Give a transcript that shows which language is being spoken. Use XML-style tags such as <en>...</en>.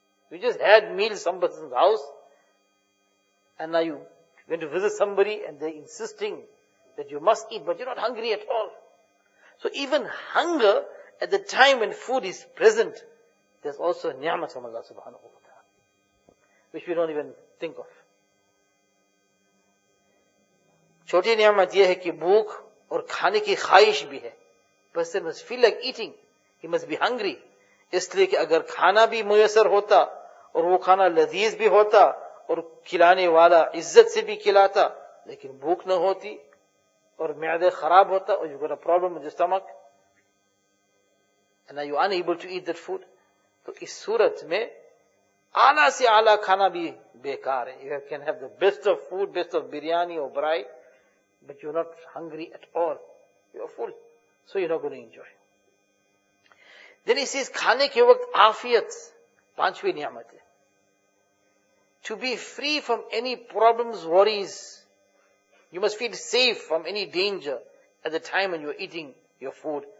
<en>You just had meals in somebody's house, and now you went to visit somebody, and they're insisting that you must eat, but you're not hungry at all. So even hunger, at the time when food is present, there's also a ni'mat from Allah subhanahu wa ta'ala, which we don't even think of.</en> <ur>چھوٹی نعمت یہ ہے کہ بھوک اور کھانے کی خواہش بھی ہے.</ur> <en>Person must feel like eating. He must be hungry.</en> <ur>اس لیے کہ اگر کھانا بھی میسر ہوتا اور وہ کھانا لذیذ بھی ہوتا اور کھلانے والا عزت سے بھی کھلاتا لیکن بھوک نہ ہوتی اور معدے خراب ہوتا اور you got a problem with your stomach and now you unable to eat that food, تو اس صورت میں اعلیٰ سے اعلیٰ کھانا بھی بیکار ہے.</ur> <en>You can have the best of food, best of biryani or braai, but you're not hungry at all. You're full. So you're not going to enjoy.</en> <ur>Then he says, khane ke waqt aafiyat, panchvi ni'mat.</ur> <en>To be free from any problems, worries. You must feel safe from any danger at the time when you are eating your food.</en>